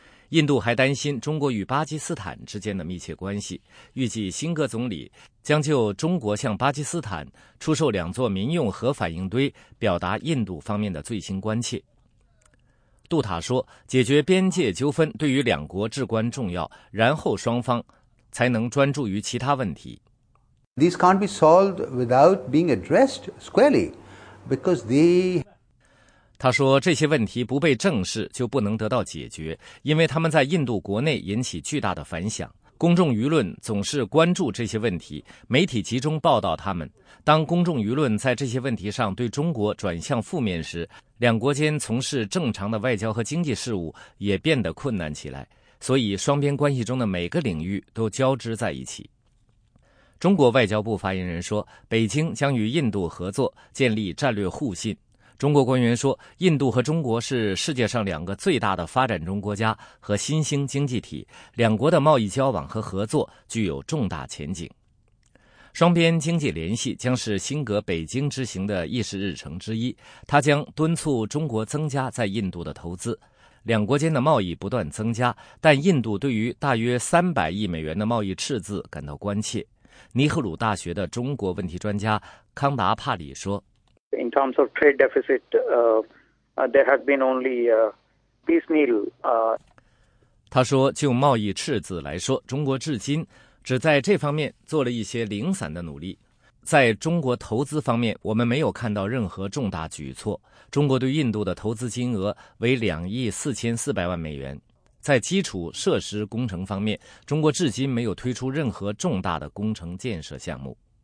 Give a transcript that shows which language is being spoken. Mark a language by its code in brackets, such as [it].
[zh] 印度还担心中国与巴基斯坦之间的密切关系，预计辛格总理将就中国向巴基斯坦出售2座民用核反应堆表达印度方面的最新关切。杜塔说，解决边界纠纷对于两国至关重要，然后双方才能专注于其他问题。 [en] These can't be solved without being addressed squarely because they... [zh] 他说，这些问题不被正视就不能得到解决，因为他们在印度国内引起巨大的反响，公众舆论总是关注这些问题，媒体集中报道他们。当公众舆论在这些问题上对中国转向负面时，两国间从事正常的外交和经济事务也变得困难起来，所以双边关系中的每个领域都交织在一起。中国外交部发言人说，北京将与印度合作建立战略互信。中国官员说，印度和中国是世界上两个最大的发展中国家和新兴经济体，两国的贸易交往和合作具有重大前景。双边经济联系将是辛格北京之行的议事日程之一，他将敦促中国增加在印度的投资。两国间的贸易不断增加，但印度对于大约300亿美元的贸易赤字感到关切。尼赫鲁大学的中国问题专家康达帕里说， [en] In terms of trade deficit, there has been only piecemeal. [zh] 他说，就贸易赤字来说，中国至今只在这方面做了一些零散的努力。在中国投资方面，我们没有看到任何重大举措。中国对印度的投资金额为2亿4400万美元。在基础设施工程方面，中国至今没有推出任何重大的工程建设项目。